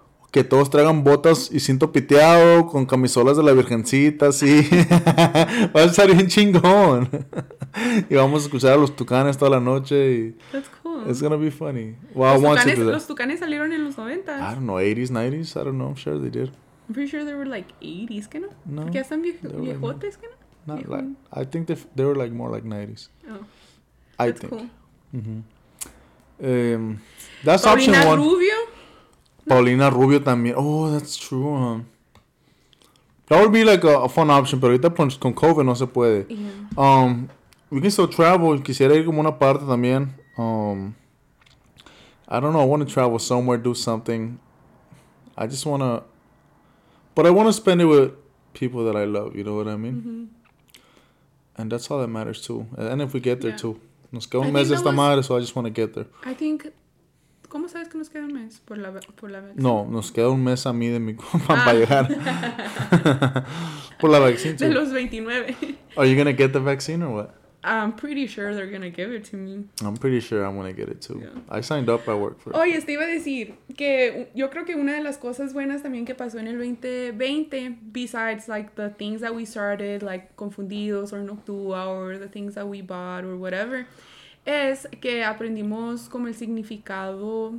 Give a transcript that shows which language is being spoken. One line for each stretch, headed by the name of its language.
Spanish: Que todos traigan botas y cinto piteado con camisolas de la virgencita, así. Va a estar bien chingón. Y vamos a escuchar a los tucanes toda la noche. Y
English: that's cool. It's going to be funny. Well, I want tucanes, to do that.
Spanish: Los tucanes salieron en los 90s.
English: I don't know, 80s, 90s. I don't know. I'm sure they did. I'm pretty sure they were like 80s, ¿qué no? No.
Spanish: ¿Qué están viejotes, ¿qué no?
English: Not like, I think they were like more like 90s. Oh. I think. Cool. That's Paulina option one. Paulina Rubio. Paulina Rubio también. Oh, that's true. That would be like a fun option,
Spanish: pero ahorita con COVID no se puede.
English: Yeah. We can still travel.
Spanish: Quisiera ir como una parte también.
English: I don't know. I want to travel somewhere, do something. I just want to. But I want to spend it with people that I love. You know what I mean? Mm-hmm. And that's all that matters, too. And if we get there, yeah. Too.
Spanish: Nos queda un mes de esta madre,
English: so I just want to get there. I think.
Spanish: ¿Cómo sabes que nos queda un mes? Por la
English: vaccine.
Spanish: No, nos queda un mes a mí de mi compa para llegar. Por la vaccine, too. De los 29.
English: Are you going to get the vaccine or what? I'm pretty sure they're going to give it to me. I'm pretty sure I'm going to get it, too. Yeah. I signed up, I work for it.
Spanish: Oye, te iba a decir que yo creo que una de las cosas buenas también que pasó en el 2020,
English: besides, like, the things that we started, like, Confundidos or Noctua or the things that we bought or whatever,
Spanish: es que aprendimos como el significado.